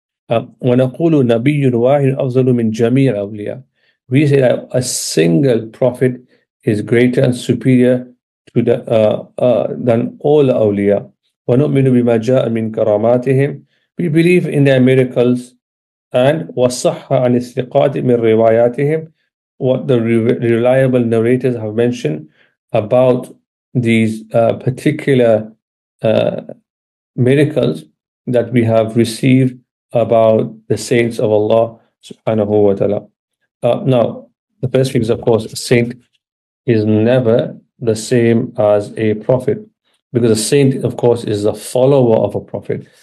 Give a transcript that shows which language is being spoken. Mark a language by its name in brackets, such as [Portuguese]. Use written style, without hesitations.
[Arabic] وَنَقُولُ نَبِيٌّ وَاحِدٌ أَفْضَلُ مِّنْ جَمِيعِ الْأَوْلِيَاءِ. [English] We say that a single prophet is greater and superior to the than all awliya. [Arabic] وَنُؤْمِنُ بِمَا جَاءَ مِّنْ كَرَامَاتِهِمْ. [English] We believe in their miracles. [Arabic] And وَصَحَّ عَنِ الثِّقَاتِ مِنْ رِوَايَاتِهِمْ. [English] What the reliable narrators have mentioned about these particular miracles that we have received about the saints of Allah subhanahu wa ta'ala. Now, the first thing is, of course, a saint is never the same as a prophet, because a saint, of course, is a follower of a prophet.